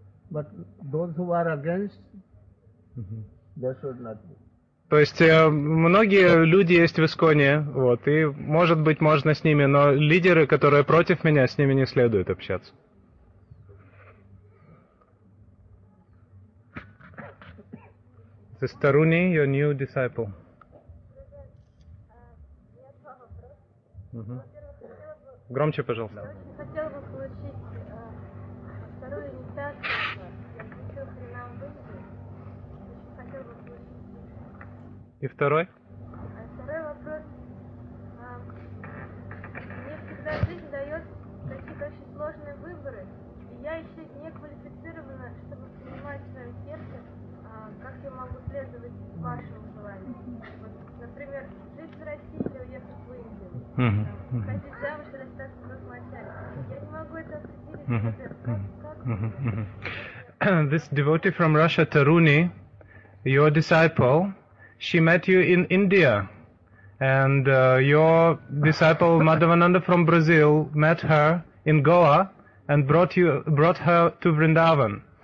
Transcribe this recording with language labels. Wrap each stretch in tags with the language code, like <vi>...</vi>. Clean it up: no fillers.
<en>But those who are against, they should not be.</en> <ru>То есть многие люди есть в Исконе, вот, и может быть можно с ними, но лидеры, которые против меня, с ними не следует общаться. Это Таруни,</ru> <en>your new disciple.</en> <ru>Громче, пожалуйста. Я очень хотела бы получить вторую инициацию, если хрена выйдет. И второй? Второй вопрос. Мне всегда жизнь дает какие-то очень сложные выборы. И я еще не квалифицирована, чтобы принимать свое сердце, как я могу следовать вашему желанию. Вот, например, жить в России или уехать в Индию. Ходить замуж или остаться в Росмачале. Я не могу это определить. Как?</ru> <en>This devotee from Russia, Taruni, your disciple, she met you in India, and your disciple Madhavananda from Brazil met her in Goa and brought her to Vrindavan.</en>